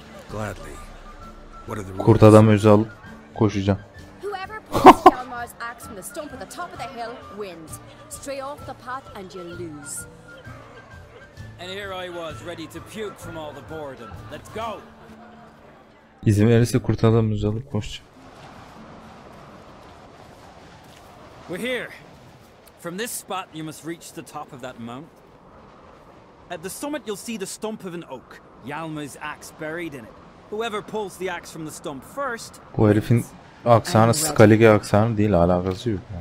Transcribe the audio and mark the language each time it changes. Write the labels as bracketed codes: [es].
[en] Gladly. What are the rules? [tr] Kurt adamı yüze alıp koşacağım. [en] Whoever pulls Hjalmar's axe from the stump at the top of the hill wins. Stray off the path and you lose. And here I was, ready to puke from all the boredom. Let's go. [tr] İzin verirse kurt adamı yüze alıp koşacağım. [en] We're here. From this spot, you must reach the top of that mount. At the summit, you'll see the stump of an oak. Hjalmar's axe buried in it. Whoever pulls the axe from the stump first. [tr] Bu herifin aksanı Skalige aksanı değil, alakası yok.